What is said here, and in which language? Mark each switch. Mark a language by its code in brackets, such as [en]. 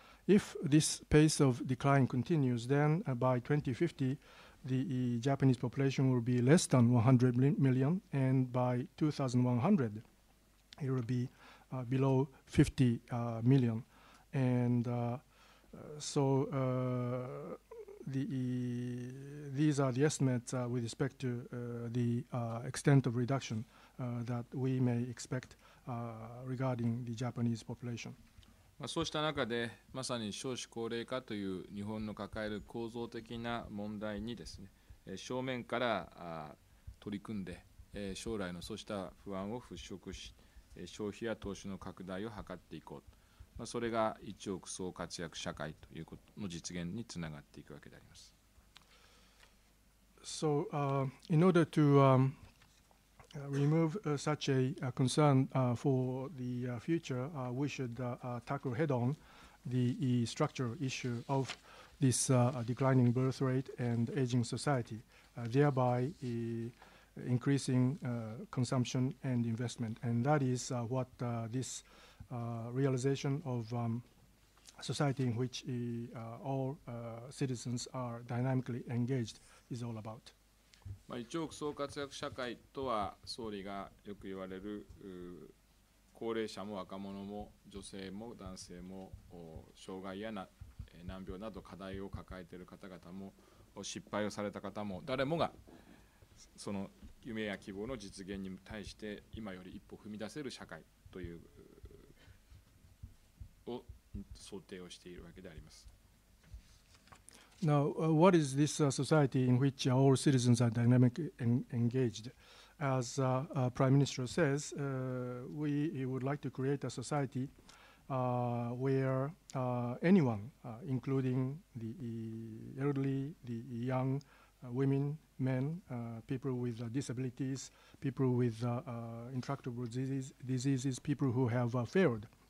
[en] If this pace of decline continues, then by 2050, the Japanese population will be less than 100 million, and by 2100, it will be below 50 million. And these are the estimates with respect to the extent of reduction that we may expect regarding the Japanese population. [ja] そうした中で、まさに少子高齢化という日本の抱える構造的な問題にですね、正面から取り組んで、将来のそうした不安を払拭し、消費や投資の拡大を図っていこうと。それが1億総活躍社会ということの実現につながっていくわけであります。 [en] So, in order to remove such a concern for the future, we should tackle head-on the structural issue of this declining birth rate and aging society, thereby increasing consumption and investment. And that is what thisrealization of society in which all citizens are dynamically engaged is all about. [ja] 1億総活躍社会とは総理がよく言われる高齢者も若者も女性も男性も障害や難病など課題を抱えている方々も失敗をされた方も誰もがその夢や希望の実現に対して今より一歩踏み出せる社会というを想定をしているわけであります。 [en] Now, what is this society in which all citizens are dynamically engaged? As Prime Minister says, we would like to create a society where anyone, including the elderly, the young, women, men, people with disabilities, people with intractable diseases, people who have failed